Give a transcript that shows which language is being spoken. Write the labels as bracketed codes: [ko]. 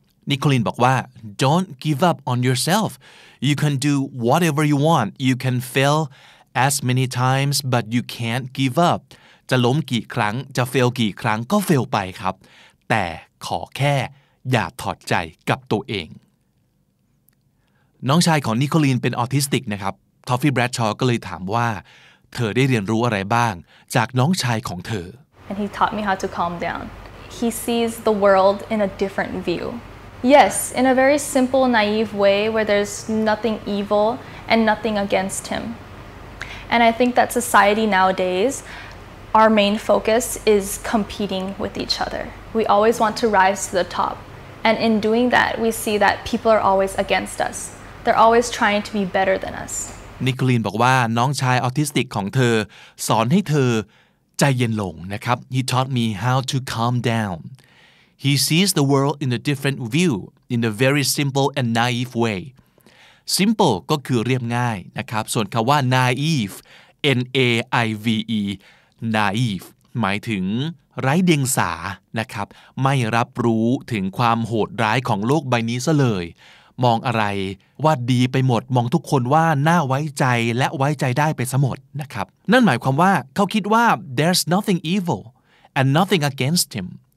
[th] นิโคลีนบอกว่า Don't give up on yourself You can do whatever you want You can fail as many times but you can't give up จะล้มกี่ครั้งจะเฟลกี่ครั้งก็เฟลไปครับแต่ขอแค่อย่าถอดใจกับตัวเอง น้องชายของนิโคลีนเป็นออทิสติกนะครับทอฟฟี่แบรดชอว์ก็เลยถามว่าเธอได้เรียนรู้อะไรบ้างจากน้องชายของเธอ [en] And he taught me how to calm down. He sees the world in a different view. Yes, in a very simple, naive way where there's nothing evil and nothing against him. And I think that society nowadays, our main focus is competing with each other. We always want to rise to the top. And in doing that, we see that people are always against us. They're always trying to be better than us. [th] นิโคลีนบอกว่าน้องชายออทิสติกของเธอสอนให้เธอใจเย็นลงนะครับ He taught me how to calm down. [en] He sees the world in a different view, in a very simple and naive way. [th] Simple ก็คือเรียบง่ายนะครับส่วนคำว่า naive, N-A-I-V-E, naive หมายถึงไร้เดียงสานะครับไม่รับรู้ถึงความโหดร้ายของโลกใบนี้ซะเลยมองอะไรว่าดีไปหมดมองทุกคนว่าน่าไว้ใจและไว้ใจได้ไปซะหมดนะครับนั่นหมายความว่าเขาคิดว่า there's nothing evil and nothing against him